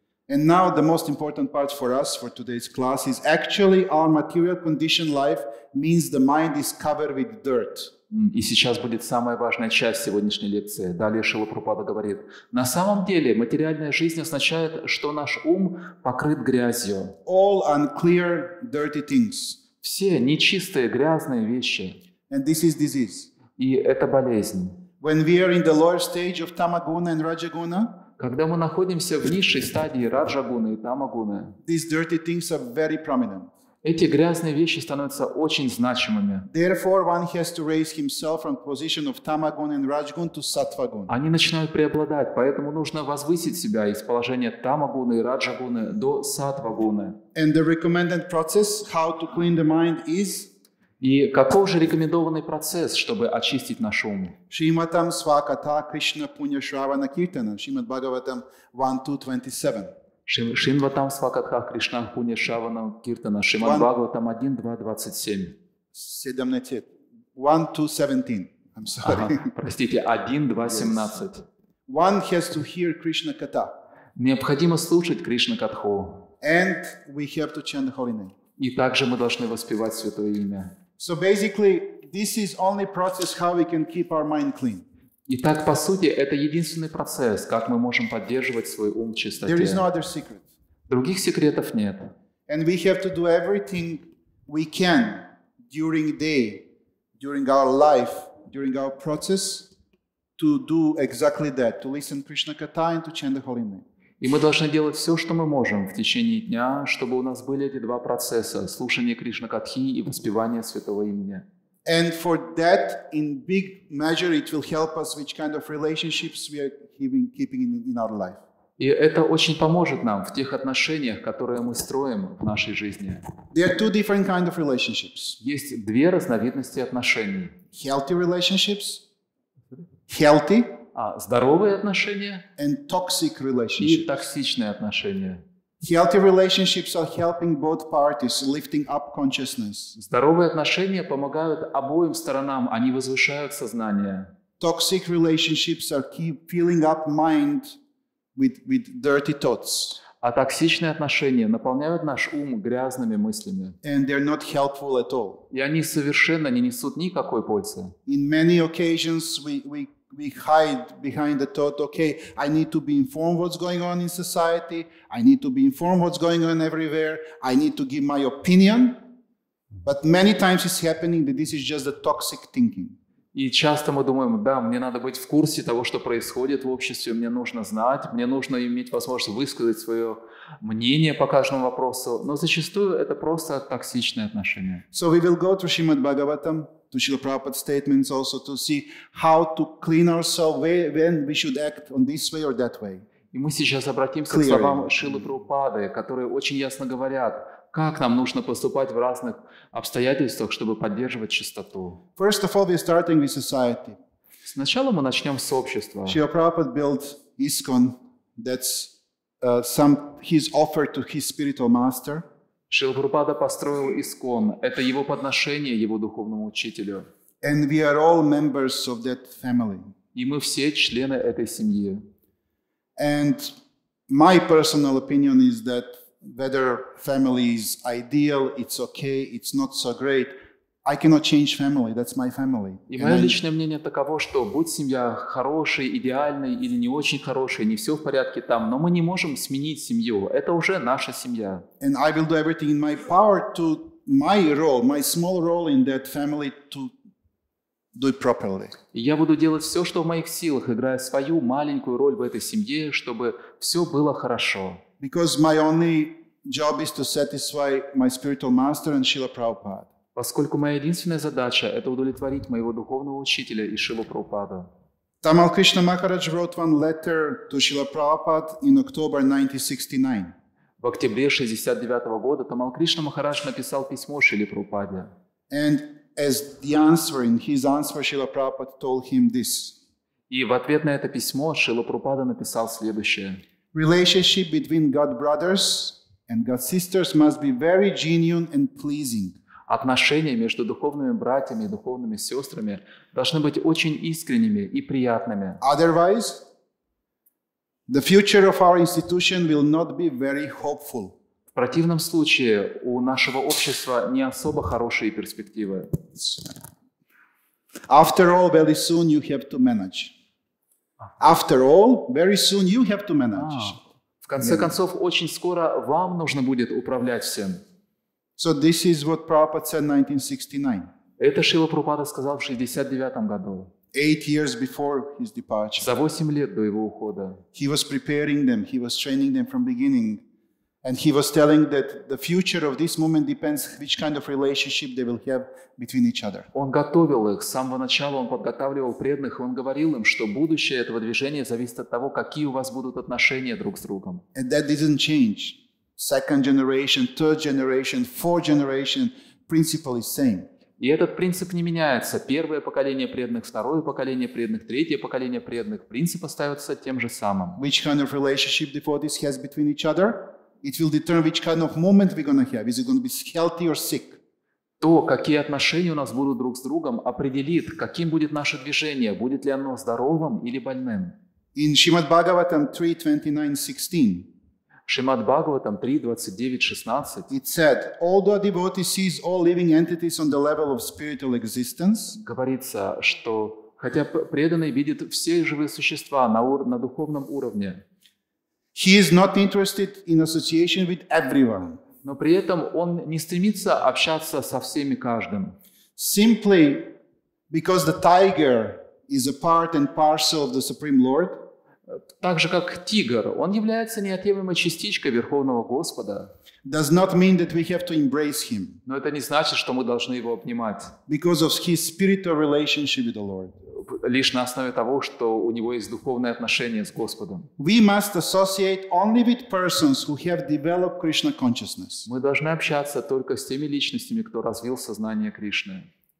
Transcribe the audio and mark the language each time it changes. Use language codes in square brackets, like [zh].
[en] And now the most important part for us for today's class is actually our material condition life means the mind is covered with dirt. [ru] И сейчас будет самая важная часть сегодняшней лекции. Далее Шрила Прабхупада говорит: на самом деле материальная жизнь означает, что наш ум покрыт грязью. [en] All unclear, dirty things. [ru] Все нечистые, грязные вещи. [en] And this is disease. [ru] И это болезнь. [en] When we are in the lower stage of tamaguna and rajaguna. [ru] Когда мы находимся в низшей стадии раджа-гуны и тама-гуны, [en] these dirty things are very prominent. [ru] эти грязные вещи становятся очень значимыми. [en] Therefore, one has to raise himself from position of tamagun and rajgun to sattvagun. [ru] Они начинают преобладать, поэтому нужно возвысить себя из положения тамагуны и раджагуны до сатвагуны. [en] And the recommended process how to clean the mind is. [ru] И каков же рекомендованный процесс, чтобы очистить наш ум? [sa] Шриматам свакатха Кришна пунья шравана киртана. [ru] Шримад Бхагаватам 1.2.27. [sa] Шинватам свакатха Кришна пуня шавана киртана. [ru] Шримад Бхагаватам 1.2.27. [en] 1.2.17. I'm sorry. [ru] Простите, 1.2.17. [en] One has to hear Krishna katha. [ru] Необходимо слушать Кришна катху. [en] And we have to chant the holy name. [ru] И также мы должны воспевать святое имя. [en] So basically, this is only process how we can keep our mind clean. [ru] Итак, по сути, это единственный процесс, как мы можем поддерживать свой ум в чистоте. [en] There is no other secret. [ru] Других секретов нет. [en] And we have to do everything we can during day, during our life, during our process to do exactly that, to listen Krishna katha and to chant the holy name. [ru] И мы должны делать все, что мы можем в течение дня, чтобы у нас были эти два процесса – слушание Кришна-катхи и воспевание Святого Имени. [en] And for that, in big measure, it will help us which kind of relationships we are keeping in our life. [ru] И это очень поможет нам в тех отношениях, которые мы строим в нашей жизни. [en] There are two different kind of relationships. [ru] Есть две разновидности отношений. [en] Healthy relationships. Healthy. [ru] Здоровые отношения [en] and toxic relationships. [ru] И токсичные отношения. [en] Healthy relationships are helping both parties, lifting up consciousness. [ru] Здоровые отношения помогают обоим сторонам, они возвышают сознание. [en] Toxic relationships are filling up mind with dirty thoughts. [ru] А токсичные отношения наполняют наш ум грязными мыслями. [en] And they're not helpful at all. [ru] И они совершенно не несут никакой пользы. [en] In many occasions we hide behind the thought, okay, I need to be informed what's going on in society, I need to be informed what's going on everywhere, I need to give my opinion. But many times it's happening that this is just a toxic thinking. [ru] И часто мы думаем, да, мне надо быть в курсе того, что происходит в обществе, мне нужно знать, мне нужно иметь возможность высказать свое мнение по каждому вопросу, но зачастую это просто токсичные отношения. [en] So we will go to Srimad Bhagavatam. To Srila Prabhupada's statements also to see how to clean ourselves, when we should act on this way or that way. [ru] И мы сейчас обратимся [en] Clearly. [ru] К словам Шрилы Прабхупады, которые очень ясно говорят, как нам нужно поступать в разных обстоятельствах, чтобы поддерживать чистоту. [en] First of all, we're starting with society. [ru] Сначала мы начнем с общества. [en] Srila Prabhupada built ISKCON, that's his offer to his spiritual master. [ru] Шрила Прабхупада построил ИСККОН. Это его подношение его духовному учителю. [en] And we are all members of that family. [ru] И мы все члены этой семьи. [en] And my personal opinion is that whether family is ideal, it's okay, it's not so great. I cannot change family. That's my family. [ru] И мое личное мнение таково, что будь семья хорошей, идеальной или не очень хорошей, не все в порядке там, но мы не можем сменить семью. Это уже наша семья. [en] And I will do everything in my power to my role, my small role in that family to do it properly. [ru] И я буду делать все, что в моих силах, играя свою маленькую роль в этой семье, чтобы все было хорошо. [en] Because my only job is to satisfy my spiritual master and Srila Prabhupada. [ru] Поскольку моя единственная задача – это удовлетворить моего духовного учителя и Шрилу Прабхупаду. [en] Tamal Krishna Maharaj wrote one letter to Srila Prabhupada in October 1969. [ru] В октябре 69 года Tamal Krishna Maharaj написал письмо Шриле Прабхупаде. [en] And as the answer, in his answer, Srila Prabhupada told him this. [ru] И в ответ на это письмо Шрила Прабхупада написал следующее. [en] Relationship between God brothers and God sisters must be very genuine and pleasing. [ru] Отношения между духовными братьями и духовными сестрами должны быть очень искренними и приятными. [en] Otherwise, the future of our institution will not be very hopeful. [ru] В противном случае у нашего общества не особо хорошие перспективы. [en] After all, very soon you have to manage. After all, very soon you have to manage. [ru] В конце концов, очень скоро вам нужно будет управлять всем. [en] So this is what Prabhupada said in 1969. [ru] Это Шрила Прабхупада сказал в 69 году. [en] 8 years before his departure. [ru] За 8 лет до его ухода. [en] He was preparing them. He was training them from beginning. And he was telling that the future of this movement depends which kind of relationship they will have between each other. [ru] Он готовил их, с самого начала он подготавливал преданных, и он говорил им, что будущее этого движения зависит от того, какие у вас будут отношения друг с другом. [en] And that didn't change. Second generation, third generation, fourth generation, principle is same. [ru] И этот принцип не меняется. Первое поколение преданных, второе поколение преданных, третье поколение преданных, принцип остается тем же самым. [en] Which kind of relationship the devotees has between each other? It will determine which kind of moment we're going to have. Is it going to be healthy or sick? [ru] То, какие отношения у нас будут друг с другом, определит, каким будет наше движение, будет ли оно здоровым или больным. [en] In Shrimad Bhagavatam 3:29-16. Shrimad Bhagavatam 3:29-16. It said, although a devotee sees all living entities on the level of spiritual existence. [ru] Говорится, что хотя преданный видит все живые существа на духовном уровне. [en] He is not interested in association with everyone. [ru] Но при этом он не стремится общаться со всеми каждым. [en] Simply because the tiger is a part and parcel of the Supreme Lord. [ru] Так же как тигр, он является неотъемлемой частичкой Верховного Господа. [en] Does not mean that we have to embrace him. [ru] Но это не значит, что мы должны его обнимать. [en] Because of his spiritual relationship with the Lord. [ru] Лишь на основе того, что у него есть духовное отношение с Господом. [en] We must associate only with persons who have developed Krishna consciousness. [ru] Мы должны общаться только с теми личностями, кто развил сознание Кришны.